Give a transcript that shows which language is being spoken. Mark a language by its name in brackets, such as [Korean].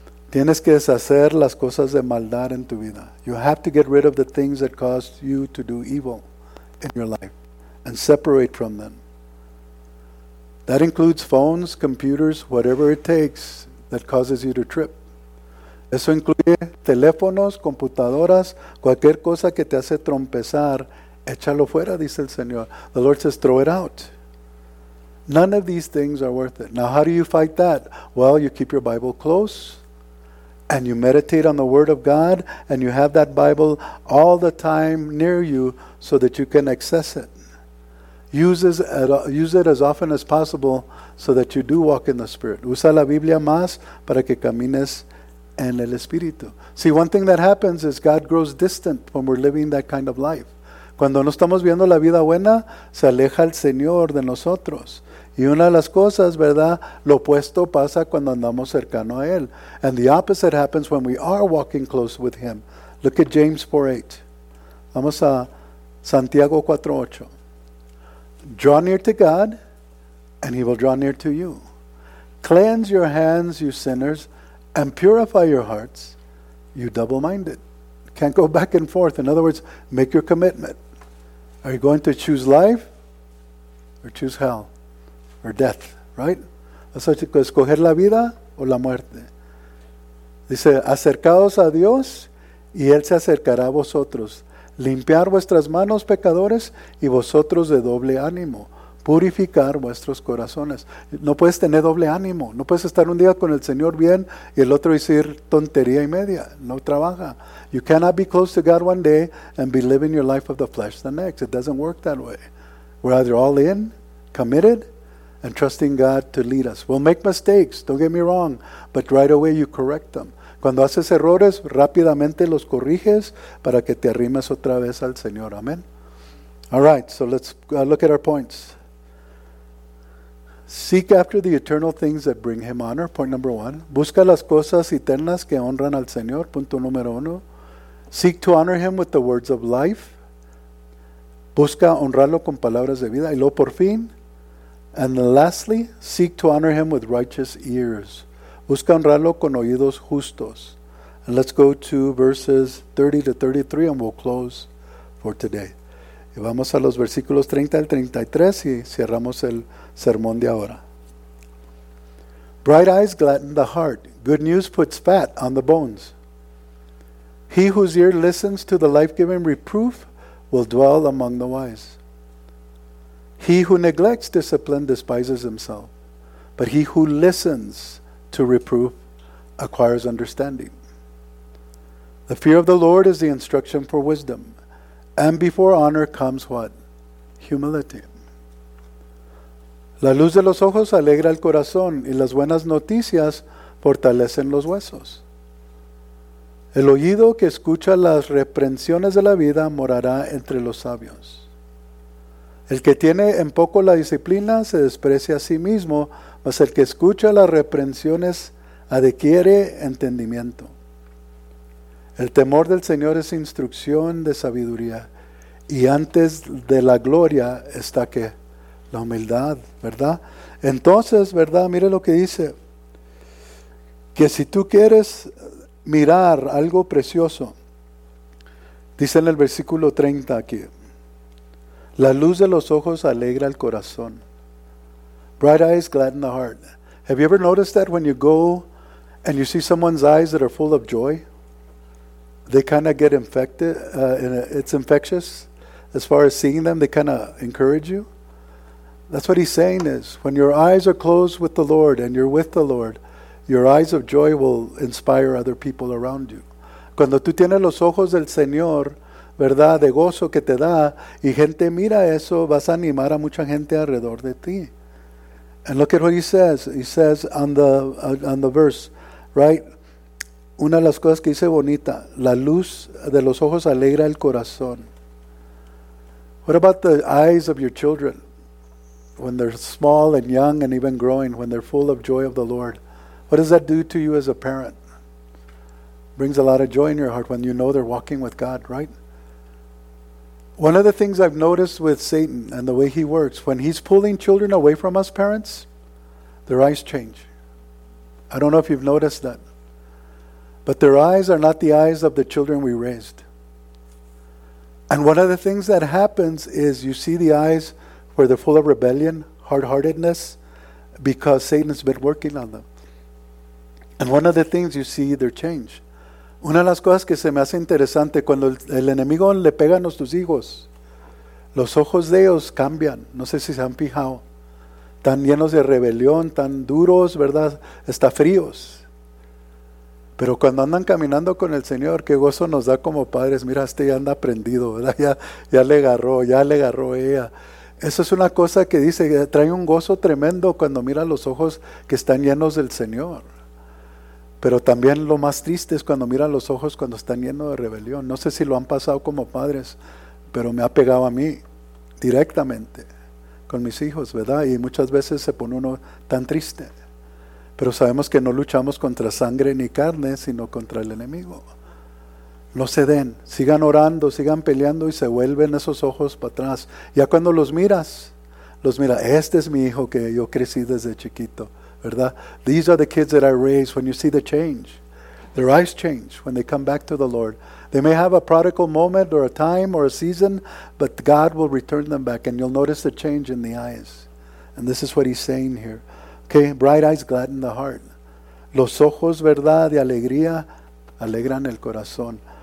[Spanish] Tienes que deshacer las cosas de maldad en tu vida. [English] You have to get rid of the things that cause you to do evil in your life and separate from them. That includes phones, computers, whatever it takes that causes you to trip. [Spanish] Eso incluye teléfonos, computadoras, cualquier cosa que te hace trompezar, échalo fuera, dice el Señor. [English] The Lord says, throw it out. None of these things are worth it. Now, how do you fight that? Well, you keep your Bible close, and you meditate on the Word of God, and you have that Bible all the time near you so that you can access it. Use it as often as possible so that you do walk in the Spirit. [Spanish] Usa la Biblia más para que camines en el Espíritu. [English] See, one thing that happens is God grows distant when we're living that kind of life. [Spanish] Cuando no estamos viendo la vida buena, se aleja el Señor de nosotros. Y una de las cosas, ¿verdad? Lo opuesto pasa cuando andamos cercano a Él. [English] And the opposite happens when we are walking close with Him. Look at James 4:8. [Spanish] Vamos a Santiago 4:8. [English] Draw near to God, and He will draw near to you. Cleanse your hands, you sinners, and purify your hearts, you double-minded. Can't go back and forth. In other words, make your commitment. Are you going to choose life or choose hell or death, right? [Spanish] ¿Escoger la vida o la muerte? Dice, acercaos a Dios y Él se acercará a vosotros. Limpiar vuestras manos, pecadores, y vosotros de doble ánimo. Purificar vuestros corazones. No puedes tener doble ánimo. No puedes estar un día con el Señor bien y el otro decir tontería y media. No trabaja. [English] You cannot be close to God one day and be living your life of the flesh the next. It doesn't work that way. We're either all in, committed, and trusting God to lead us. We'll make mistakes, don't get me wrong, but right away you correct them. [Spanish] Cuando haces errores, rápidamente los corriges para que te arrimes otra vez al Señor. Amén. [English] All right, so let's look at our points. Seek after the eternal things that bring him honor. Point number one. [Spanish] Busca las cosas eternas que honran al Señor. Punto número uno. [English] Seek to honor him with the words of life. [Spanish] Busca honrarlo con palabras de vida. Y luego por fin. [English] And lastly, seek to honor him with righteous ears. [Spanish] Busca honrarlo con oídos justos. [English] And let's go to verses 30 to 33 and we'll close for today. [Spanish] Y vamos a los versículos 30 al 33 y cerramos el sermón de ahora. [English] Bright eyes gladden the heart. Good news puts fat on the bones. He whose ear listens to the life-giving reproof will dwell among the wise. He who neglects discipline despises himself. But he who listens to reproof acquires understanding. The fear of the Lord is the instruction for wisdom. And before honor comes what? Humility. [Spanish] La luz de los ojos alegra el corazón y las buenas noticias fortalecen los huesos. El oído que escucha las reprensiones de la vida morará entre los sabios. El que tiene en poco la disciplina se desprecia a sí mismo, mas el que escucha las reprensiones adquiere entendimiento. El temor del Señor es instrucción de sabiduría. Y antes de la gloria está que la humildad, ¿verdad? Entonces, ¿verdad? Mire lo que dice. Que si tú quieres mirar algo precioso, dice en el versículo 30 aquí, la luz de los ojos alegra el corazón. [English] Bright eyes gladden the heart. Have you ever noticed that when you go and you see someone's eyes that are full of joy, they kind of get infected, it's infectious? As far as seeing them, they kind of encourage you. That's what he's saying is, when your eyes are closed with the Lord and you're with the Lord, your eyes of joy will inspire other people around you. [Spanish] Cuando tú tienes los ojos del Señor, ¿verdad? De gozo que te da, y gente mira eso, vas a animar a mucha gente alrededor de ti. [English] And look at what he says. He says on the verse, right? [Spanish] Una de las cosas que dice bonita, la luz de los ojos alegra el corazón. [English] What about the eyes of your children when they're small and young and even growing, when they're full of joy of the Lord? What does that do to you as a parent? Brings a lot of joy in your heart when you know they're walking with God, right? One of the things I've noticed with Satan and the way he works, when he's pulling children away from us parents, their eyes change. I don't know if you've noticed that. But their eyes are not the eyes of the children we raised. And one of the things that happens is you see the eyes where they're full of rebellion, hard-heartedness, because Satan has been working on them. And one of the things you see, their change. [Spanish] Una de las cosas que se me hace interesante, cuando el enemigo le pega a nuestros hijos, los ojos de ellos cambian. No sé si se han fijado. Tan llenos de rebelión, tan duros, ¿verdad? Está fríos. Pero cuando andan caminando con el Señor, qué gozo nos da como padres. Mira, este ya anda prendido, ¿verdad? Ya le agarró ella. Eso es una cosa que dice, trae un gozo tremendo cuando mira los ojos que están llenos del Señor. Pero también lo más triste es cuando mira los ojos cuando están llenos de rebelión. No sé si lo han pasado como padres, pero me ha pegado a mí directamente con mis hijos, ¿verdad? Y muchas veces se pone uno tan triste. Pero sabemos que no luchamos contra sangre ni carne, sino contra el enemigo. No se den, sigan orando, sigan peleando y se vuelven esos ojos para atrás. Ya cuando los miras, este es mi hijo que yo crecí desde chiquito, ¿verdad? [English] These are the kids that I raised. When you see the change, their eyes change when they come back to the Lord. They may have a prodigal moment or a time or a season, but God will return them back and you'll notice the change in the eyes. And this is what he's saying here. Okay, bright eyes gladden the heart. [Spanish] Los ojos, ¿verdad?, de alegría, alegran el corazón.